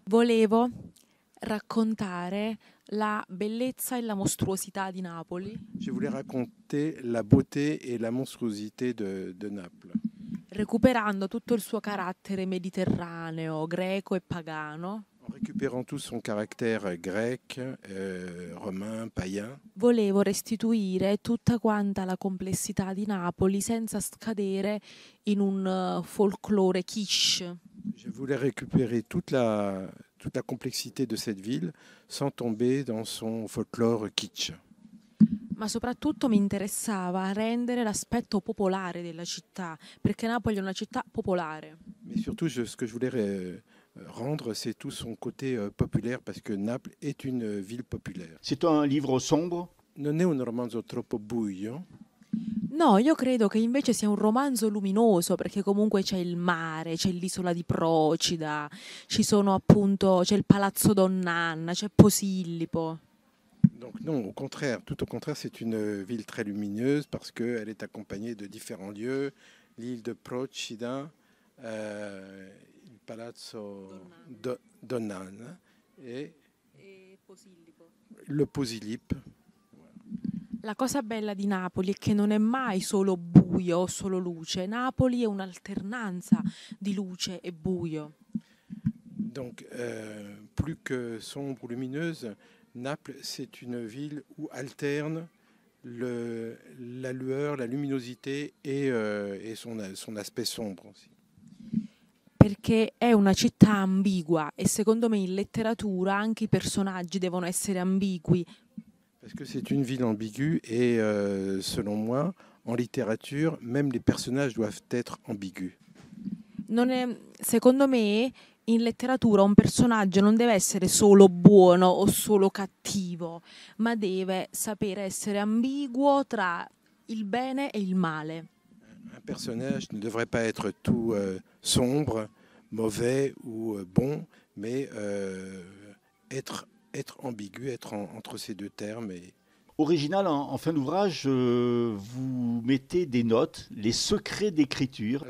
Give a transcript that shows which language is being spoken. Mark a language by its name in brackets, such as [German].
[Italian] Volevo raccontare la bellezza e la mostruosità di Napoli. [French] Je voulais raconter la beauté et la monstruosité de Naples. [Italian] Recuperando tutto il suo carattere mediterraneo, greco e pagano. [French] En récupérant tout son caractère grec, romain, païen. [Italian] Volevo restituire tutta quanta la complessità di Napoli senza scadere in un folklore kitsch. [French] Je voulais récupérer toute la complexité de cette ville sans tomber dans son folklore kitsch. [Italian] Ma soprattutto mi interessava rendere l'aspetto popolare della città, perché Napoli è una città popolare. [French] Mais surtout ce que je voulais rendre, c'est tout son côté populaire, parce que Naples est une ville populaire. C'est un livre sombre? [Italian] Non è un romanzo troppo buio. No, io credo che invece sia un romanzo luminoso, perché comunque c'è il mare, c'è l'isola di Procida, ci sono appunto, c'è il palazzo Donnanna, c'è Posillipo. [French] Donc non, au contraire, tout au contraire, c'est une ville très lumineuse parce que elle est accompagnée de différents lieux, l'île de Procida, il palazzo Donnanna [Italian] e Posillipo. [French] Le Posillipo. [Italian] La cosa bella di Napoli è che non è mai solo buio o solo luce. Napoli è un'alternanza di luce e buio. [French] Donc, plus que sombre ou lumineuse, Naples c'est une ville où alterne la lueur, la luminosité et son aspect sombre aussi. [Italian] Perché è una città ambigua e secondo me in letteratura anche i personaggi devono essere ambigui. [French] Parce que c'est une ville ambiguë et selon moi, en littérature, même les personnages doivent être ambigus. [Italian] Non è, secondo me, in letteratura un personaggio non deve essere solo buono o solo cattivo, ma deve sapere essere ambiguo tra il bene e il male. [French] Un personnage ne devrait pas être tout sombre, mauvais ou bon, mais être ambigu, être entre ces deux termes. Et... Original, en fin d'ouvrage, vous mettez des notes, les secrets d'écriture.